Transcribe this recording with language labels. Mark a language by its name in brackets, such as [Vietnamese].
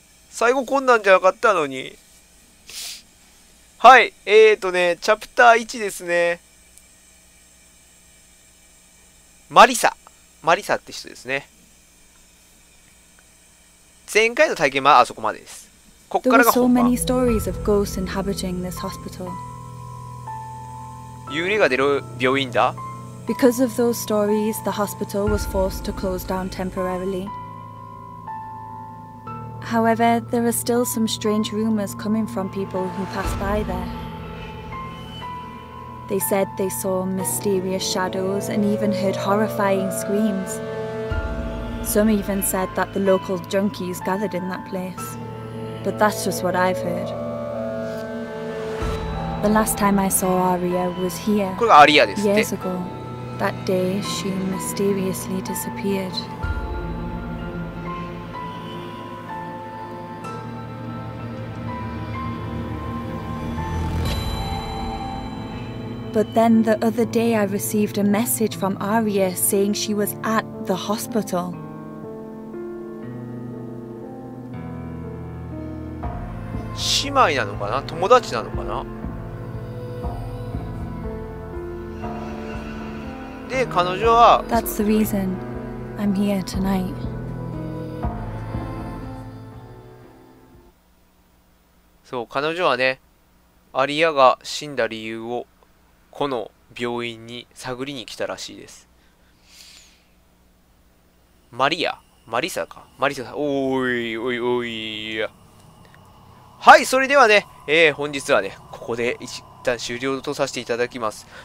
[Japanese] 最後こんなんじゃなかったのに。はい。ね、チャプター1ですね。マリサ。マリサって人ですね。前回の体験はあそこまでです。 [English] There were so many stories of ghosts inhabiting this hospital. [Japanese] 幽霊が出る病院だ。 [English] Because of those stories, the hospital was forced to close down temporarily. However, there are still some strange rumors coming from people who pass by there. They said they saw mysterious shadows and even heard horrifying screams. Some even said that the local junkies gathered in that place. But that's just what I've heard. The last time I saw Aria was here. [Japanese] これがアリアですね。 [English] Years ago, that day she mysteriously disappeared. But then the other day I received a message from Aria saying she was at the hospital. [Japanese] 姉妹なのかな、友達なのかな。で彼女は [English] That's the reason I'm here tonight。 [Japanese] そう、彼女はね、アリアが死んだ理由をこの病院に探りに来たらしいです。マリア、マリサか、マリサさん、おーいおいおい、はい、それではね、本日はね、ここで一旦終了とさせていただきます。